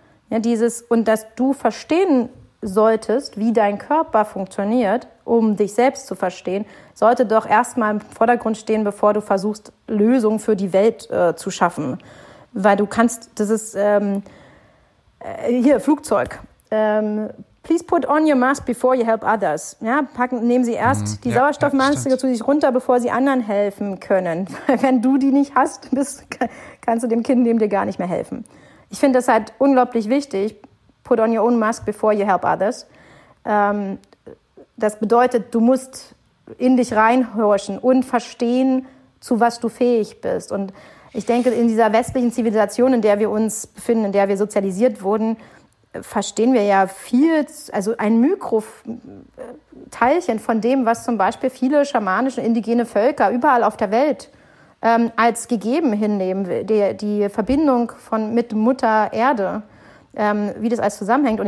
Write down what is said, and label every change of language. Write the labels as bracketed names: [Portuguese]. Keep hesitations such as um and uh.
[German] Ja, dieses, und dass du verstehen solltest, wie dein Körper funktioniert, um dich selbst zu verstehen, sollte doch erstmal im Vordergrund stehen, bevor du versuchst, Lösungen für die Welt äh, zu schaffen. Weil du kannst, das ist ähm, äh, hier, Flugzeug. [English] Ähm, Please put on your mask before you help others. [German] Ja, packen, nehmen Sie erst die ja, Sauerstoffmaske ja, stimmt. zu sich runter, bevor Sie anderen helfen können. Weil wenn du die nicht hast, bist, kannst du dem Kind neben dir gar nicht mehr helfen. Ich finde das halt unglaublich wichtig. [English] Put on your own mask before you help others. [German] Ähm, das bedeutet, du musst in dich reinhorchen und verstehen, zu was du fähig bist. Und ich denke, in dieser westlichen Zivilisation, in der wir uns befinden, in der wir sozialisiert wurden, äh, verstehen wir ja viel, also ein Mikroteilchen von dem, was zum Beispiel viele schamanische indigene Völker überall auf der Welt ähm, als gegeben hinnehmen, die, die Verbindung von, mit Mutter Erde, ähm, wie das alles zusammenhängt.